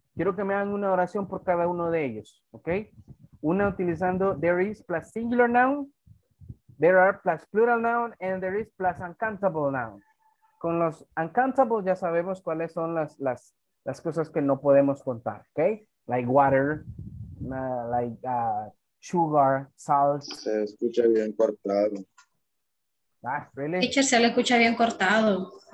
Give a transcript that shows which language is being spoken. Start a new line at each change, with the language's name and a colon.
Spanish: Quiero que me hagan una oración por cada uno de ellos, ¿ok? Una utilizando
English: there is plus singular noun, there are plus plural noun, and there is plus uncountable noun.
Spanish: Con los uncountable ya sabemos cuáles son las cosas que no podemos contar, ¿ok?
English: Like water, like sugar, salt.
Spanish: Se escucha bien cortado.
English: Ah, really?
Spanish: Teacher, se le escucha bien cortado.